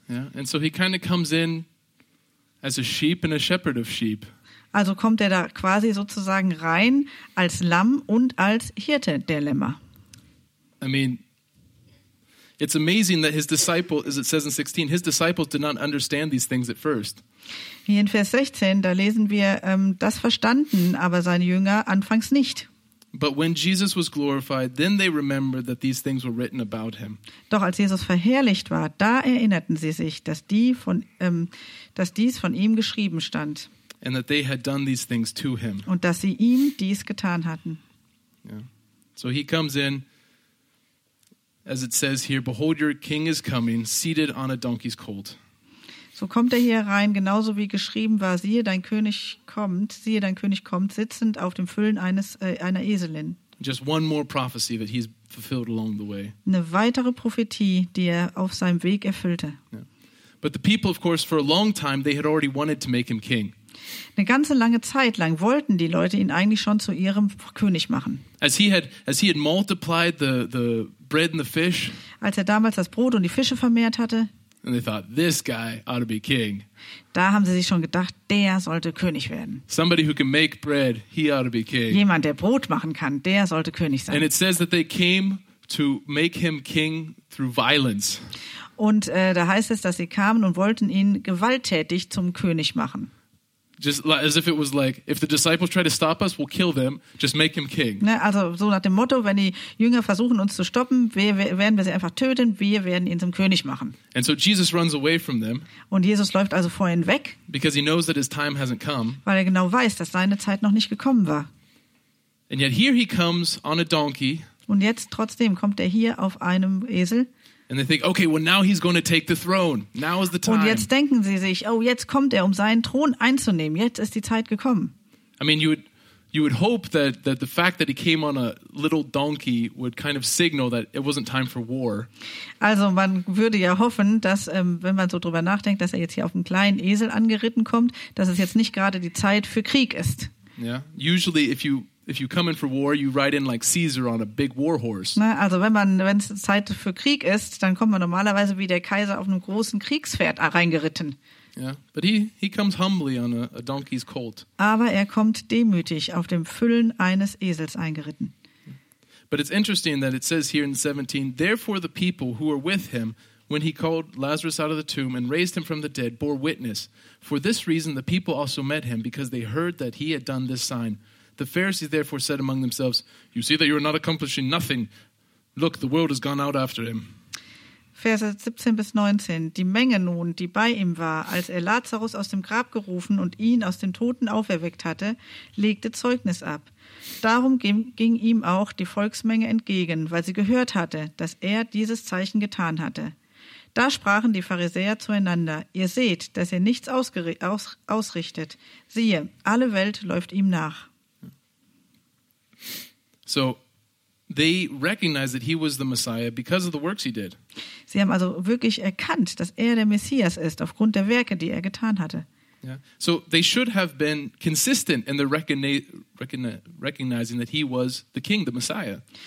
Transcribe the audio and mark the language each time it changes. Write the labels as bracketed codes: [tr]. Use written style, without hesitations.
[en] Yeah, and so he kind of comes in as a sheep and a shepherd of sheep. [de] Also kommt er da quasi sozusagen rein als Lamm und als Hirte der Lämmer. [en] I mean, it's amazing that his disciples, as it says in 16, his disciples did not understand these things at first. [de] Hier in Vers 16, da lesen wir, das verstanden aber seine Jünger anfangs nicht. [en] But when Jesus was glorified, then they remembered that these things were written about him. [de] Doch als Jesus verherrlicht war, da erinnerten sie sich, dass dies von ihm geschrieben stand. [en] And that they had done these things to him. [de] Und dass sie ihm dies getan hatten. [en] Yeah. So he comes in, as it says here, behold, your king is coming, seated on a donkey's colt. [de] So kommt er hier rein, genauso wie geschrieben war, siehe, dein König kommt, sitzend auf dem Füllen einer Eselin. [en] Just one more prophecy that he's fulfilled along the way. [de] Eine weitere Prophetie, die er auf seinem Weg erfüllte. [en] Yeah. But the people, of course, for a long time, they had already wanted to make him king. [de] Eine ganze lange Zeit lang wollten die Leute ihn eigentlich schon zu ihrem König machen. [en] As he had multiplied the bread and the fish, [de] als er damals das Brot und die Fische vermehrt hatte, [en] and they thought, this guy ought to be king. [de] Da haben sie sich schon gedacht, der sollte König werden. [en] Somebody who can make bread, he ought to be king. [de] Jemand, der Brot machen kann, der sollte König sein. [en] And it says that they came to make him king through violence. [de] Und da heißt es, dass sie kamen und wollten ihn gewalttätig zum König machen. [en] Just as if it was like, if the disciples try to stop us, we'll kill them. Just make him king. [de] Ne, also so nach dem Motto, wenn die Jünger versuchen uns zu stoppen, werden wir sie einfach töten. Wir werden ihn zum König machen. [en] And so Jesus runs away from them. [de] Und Jesus läuft also vor ihnen weg. [en] Because he knows that his time hasn't come. [de] Weil er genau weiß, dass seine Zeit noch nicht gekommen war. [en] And yet here he comes on a donkey. [de] Und jetzt trotzdem kommt er hier auf einem Esel. [en] And they think, okay, well now he's going to take the throne. Now is the time. [de] Und jetzt denken sie sich, oh, jetzt kommt er, um seinen Thron einzunehmen. Jetzt ist die Zeit gekommen. [en] I mean, you would hope that the fact that he came on a little donkey would kind of signal that it wasn't time for war. [de] Also man würde ja hoffen, dass wenn man so drüber nachdenkt, dass er jetzt hier auf einem kleinen Esel angeritten kommt, dass es jetzt nicht gerade die Zeit für Krieg ist. [en] Yeah, usually if you come in for war, you ride in like Caesar on a big war horse. [de] Na, also wenn es Zeit für Krieg ist, dann kommt man normalerweise wie der Kaiser auf einem großen Kriegspferd reingeritten. [en] Yeah, but he comes humbly on a donkey's colt. [de] Aber er kommt demütig auf dem Füllen eines Esels eingeritten. [en] But it's interesting that it says here in 17, therefore the people who were with him when he called Lazarus out of the tomb and raised him from the dead bore witness. For this reason the people also met him, because they heard that he had done this sign. The Pharisees therefore said among themselves, you see that you are not accomplishing nothing. Look, the world has gone out after him. [de] Verse 17 bis 19. Die Menge nun, die bei ihm war, als er Lazarus aus dem Grab gerufen und ihn aus den Toten auferweckt hatte, legte Zeugnis ab. Darum ging ihm auch die Volksmenge entgegen, weil sie gehört hatte, dass er dieses Zeichen getan hatte. Da sprachen die Pharisäer zueinander, ihr seht, dass ihr nichts ausrichtet. Siehe, alle Welt läuft ihm nach. [en] So they recognized that he was the Messiah because of the works he did. [de] Sie haben also wirklich erkannt, dass er der Messias ist aufgrund der Werke, die er getan hatte. [en] Yeah. So they should have been consistent in their recognizing that he was the king, the Messiah.